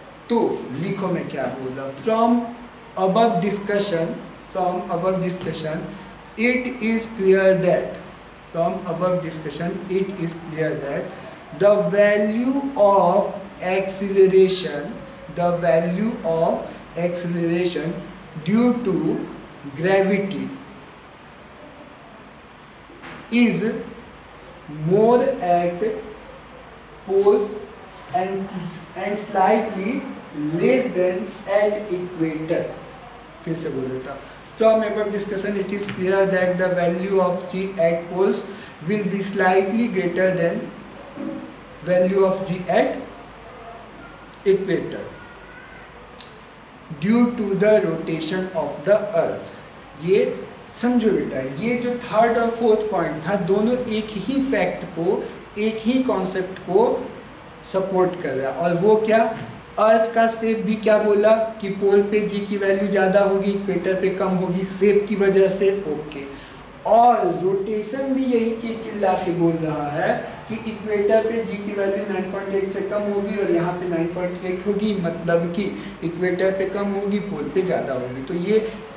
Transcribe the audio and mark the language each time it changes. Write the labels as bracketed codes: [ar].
[hi] तो लिखो मैं क्या बोला, [en] From above discussion it is clear that, from above discussion it is clear that the value of acceleration, the value of acceleration due to gravity is more at poles and slightly less than at equator. [hi] फिर से बोल देता, [en] from above discussion it is clear that the value of g at poles will be slightly greater than value of g at equator due to the rotation of the earth. [hi] ये समझो बेटा, ये जो third और fourth point था दोनों एक ही fact को, एक ही कॉन्सेप्ट को सपोर्ट कर रहा है, और वो क्या, अर्थ का शेप भी क्या बोला कि पोल पे जी की वैल्यू ज़्यादा होगी इक्वेटर पे कम होगी शेप की वजह से, ओके, और रोटेशन भी यही चीज चिल्ला के बोल रहा है कि इक्वेटर पे जी की वैल्यू 9.8 से कम होगी और यहाँ पे 9.8 होगी, मतलब कि इक्वेटर पे कम होगी पोल पे ज़्यादा होगी, तो ये